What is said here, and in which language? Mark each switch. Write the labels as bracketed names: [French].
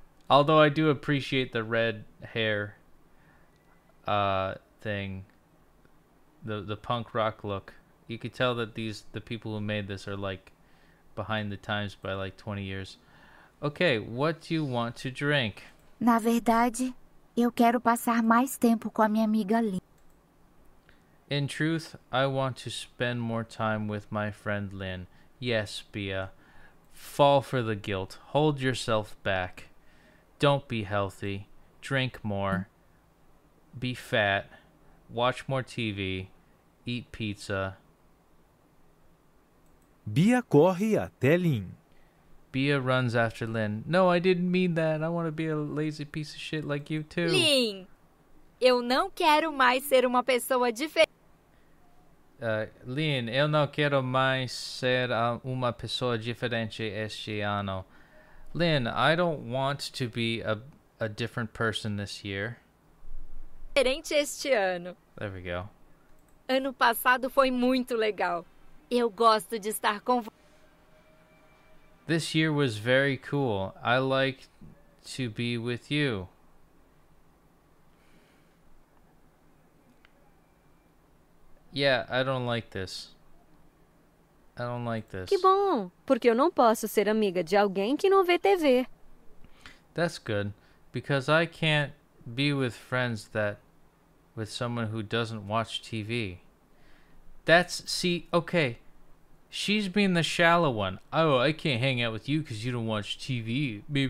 [English] Although I do appreciate the red hair thing. The punk rock look. You could tell that the people who made this are like behind the times by like 20 years. Okay, what do you want to drink? [Portuguese] Na verdade, eu quero passar mais tempo com a minha amiga Lin. [English] In truth, I want to spend more time with my friend Lin. Yes, Bia. Fall for the guilt. Hold yourself back. Don't be healthy. Drink more. Be fat. Watch more TV. Eat pizza. [Portuguese] Bia corre até Lin. [English] Bia runs after Lin. No, I didn't mean that. I want to be a lazy piece of shit like you too. [Portuguese] Lin, eu não quero mais ser uma pessoa diferente. Lin, eu não quero mais ser uma pessoa diferente este ano. [English] Lin, I don't want to be a different person this year. [Portuguese] Diferente este ano. [English] There we go. [Portuguese] Ano passado foi muito legal. Eu gosto de estar com você. [English] This year was very cool. I like to be with you. Yeah, I don't like this. I don't like this. [Portuguese] Que bom, porque eu não posso ser amiga de alguém que não vê TV. [English] That's good, because I can't be with friends that... with someone who doesn't watch TV. Okay. She's being the shallow one. Oh, I can't hang out with you because you don't watch TV.